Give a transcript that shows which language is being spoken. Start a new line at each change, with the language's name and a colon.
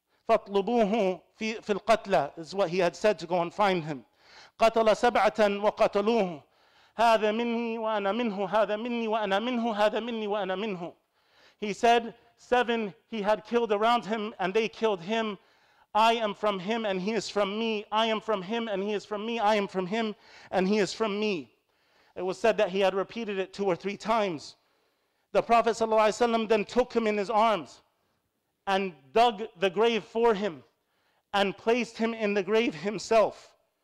Arabic: فَطْلُبُوهُ فِي الْقَتْلَ
English: is what he had said to go and find him.
Arabic: قَتَلَ سَبْعَةً وَقَتَلُوهُ هَذَا مِنِّي وَأَنَا مِنْهُ هَذَا مِنِّي وَأَنَا مِنْهُ هَذَا مِنِّي وَأَنَا مِنْهُ.
English: He said, seven he had killed around him and they killed him. I am from him and he is from me. I am from him and he is from me. I am from him and he is from me. It was said that he had repeated it 2 or 3 times. The Prophet ﷺ then took him in his arms and dug the grave for him and placed him in the grave himself.